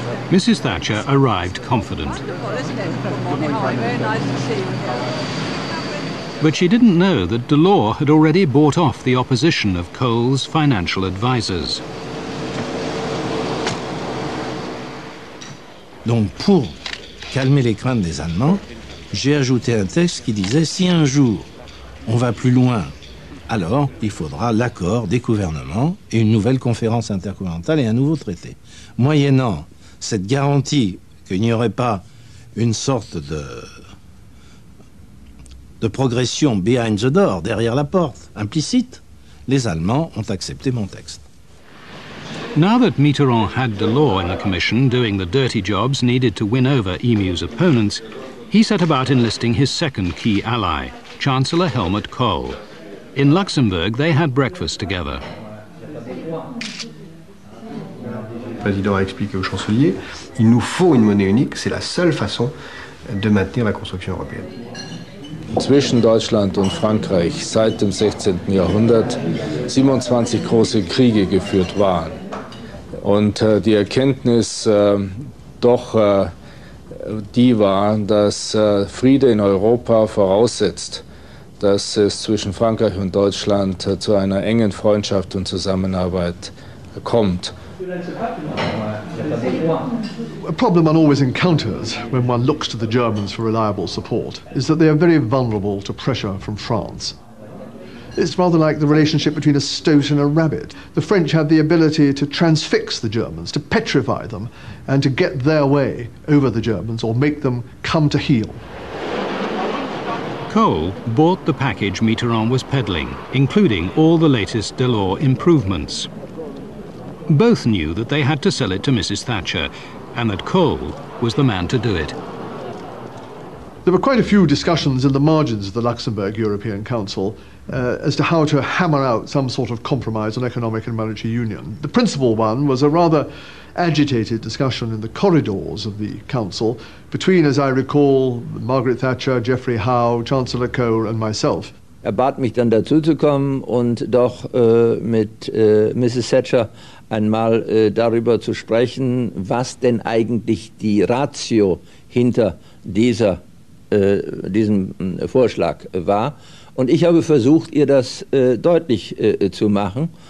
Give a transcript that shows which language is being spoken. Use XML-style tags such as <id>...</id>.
<en>Mrs. Thatcher arrived confident. But she didn't know that Delors had already bought off the opposition of Kohl's financial advisers.</en> <fr>Donc pour calmer les craintes des Allemands, j'ai ajouté un texte qui disait si un jour on va plus loin, alors il faudra l'accord des gouvernements et une nouvelle conférence intergouvernementale et un nouveau traité. Moyennant cette garantie qu'il n'y aurait pas une sorte de progression</fr> <en>behind the door,</en> <fr>derrière la porte, implicite, les Allemands ont accepté mon texte.</fr> <en>Now that Mitterrand had Delors in the commission doing the dirty jobs needed to win over EMU's opponents, he set about enlisting his second key ally, Chancellor Helmut Kohl. In Luxembourg, they had breakfast together.</en> <fr>Le président a expliqué au chancelier, il nous faut une monnaie unique, c'est la seule façon de maintenir la construction européenne.</fr> <de>Zwischen Deutschland und Frankreich seit dem 16. Jahrhundert 27 große Kriege geführt waren. Und die Erkenntnis doch die war, dass Friede in Europa voraussetzt, dass es zwischen Frankreich und Deutschland zu einer engen Freundschaft und Zusammenarbeit kommt.</de> <en>A problem one always encounters when one looks to the Germans for reliable support is that they are very vulnerable to pressure from France. It's rather like the relationship between a stoat and a rabbit. The French have the ability to transfix the Germans, to petrify them, and to get their way over the Germans or make them come to heel. Kohl bought the package Mitterrand was peddling, including all the latest Delors improvements. Both knew that they had to sell it to Mrs. Thatcher, and that Kohl was the man to do it. There were quite a few discussions in the margins of the Luxembourg European Council as to how to hammer out some sort of compromise on economic and monetary union. The principal one was a rather agitated discussion in the corridors of the Council between, as I recall, Margaret Thatcher, Geoffrey Howe, Chancellor Kohl and myself.</en> <de>Er bat mich dann dazu zu kommen und doch mit Mrs. Thatcher einmal darüber zu sprechen, was denn eigentlich die Ratio hinter diesem Vorschlag war. Und ich habe versucht, ihr das deutlich zu machen.</de>